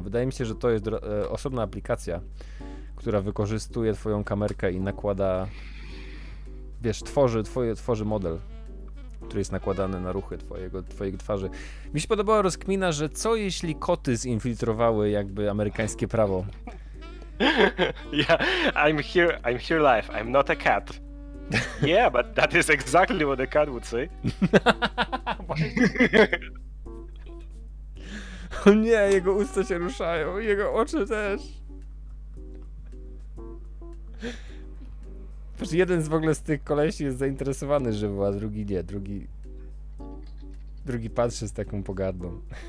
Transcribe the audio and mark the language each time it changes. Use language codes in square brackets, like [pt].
[pl] Wydaje mi się, że to jest osobna aplikacja, która wykorzystuje twoją kamerkę i nakłada, wiesz, tworzy model, który jest nakładany na ruchy twojej twarzy. Mi się podobała rozkmina, że co jeśli koty zinfiltrowały jakby amerykańskie prawo? [en] Yeah, I'm here live, I'm not a cat. Yeah, but that is exactly what a cat would say. [pl] O nie, jego usta się ruszają, jego oczy też. Przecież jeden z w ogóle z tych kolesi jest zainteresowany żywo, a drugi nie, drugi patrzy z taką pogardą.